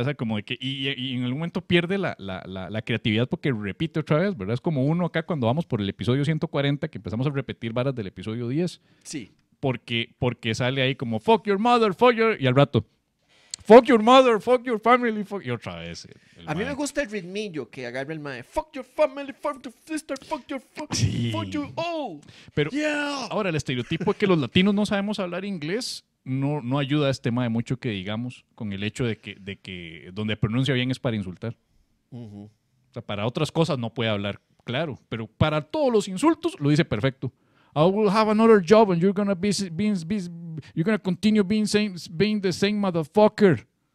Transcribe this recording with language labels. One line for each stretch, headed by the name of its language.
Spanish: O sea, como de que y en algún momento pierde la creatividad porque repite otra vez, ¿verdad? Es como uno acá cuando vamos por el episodio 140 que empezamos a repetir varas del episodio 10. Sí. Porque sale ahí como
English: fuck your mother, fuck your...
Spanish: Y al rato,
English: fuck your mother, fuck your family, fuck...
Spanish: Y otra vez. A mí me gusta el ritmillo que agarra el mae.
English: Fuck your family, fuck your sister, fuck your... Fuck, sí. Fuck you all.
Spanish: Pero yeah. Ahora el estereotipo es que los latinos no sabemos hablar inglés. No ayuda a este mae mucho que digamos con el hecho de que donde pronuncia bien es para insultar. Uh-huh. O sea, para otras cosas no puede hablar claro. Pero para todos los insultos lo dice perfecto.
English: I will have another job and you're gonna continue being the same motherfucker.